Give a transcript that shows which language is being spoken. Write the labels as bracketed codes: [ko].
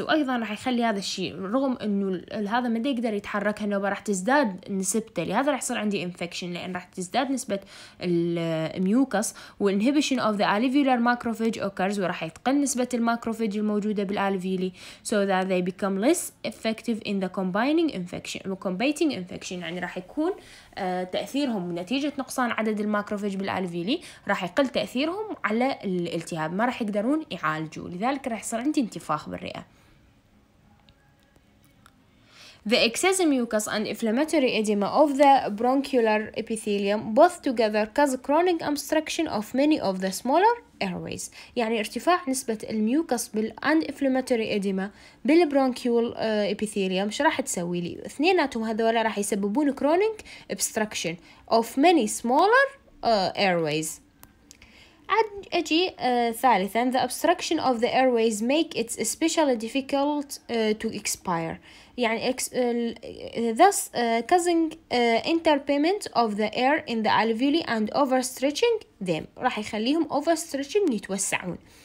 [ar] وأيضا راح يخلي هذا الشيء رغم إنه هذا ما يقدر يتحرك النوبة راح تزداد نسبته لهذا راح يصير عندي infection لأن راح تزداد نسبة الميوكس و [en] inhibition of the alveolar macrophage occurs [ar] وراح يتقل نسبة الماكروفاج الموجودة بالالفيلي [en] so that they become less effective in the combining infection combating infection [ar] يعني راح يكون تأثيرهم نتيجة نقصان عدد الماكروفاج بالالفيلي راح يقل تأثيرهم على الالتهاب ما راح يقدرون يعالجوا لذلك راح يصير عندي انتفاخ بالرئة. [en] The excess mucus and inflammatory edema of the bronchiolar epithelium both together cause chronic obstruction of many of the smaller airways. [ar] يعني ارتفاع نسبة الميوكس بال [en] and inflammatory edema [ar] بالبرونكيول epithelium شو راح تسوي لي؟ اثنيناتهم هذولا راح يسببون [en] chronic obstruction of many smaller airways. [ar] أجي ثالثا [en] the obstruction of the airways make it especially difficult to expire يعني thus causing interpayment of the air in the alveoli and overstretching them [ar] راح يخليهم [en] overstretching [ar] يتوسعون